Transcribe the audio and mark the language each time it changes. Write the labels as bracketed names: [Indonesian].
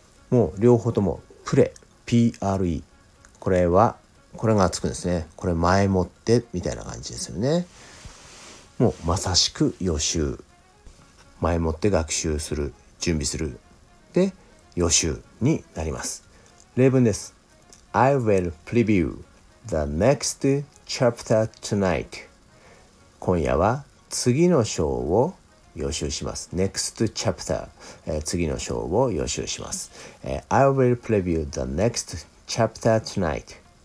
[Japanese] もう両方ともPRE、これがつくんですね。これ前もってみたいな感じですよね。もうまさしく予習、前もって学習する、準備する、で予習になります。例文です。 [English] I will preview the next chapter tonight. [Japanese] 今夜は次の章を予習します。 [English] Next chapter、 [Japanese] 次の章を予習します。 [English] I will preview the next chapter tonight.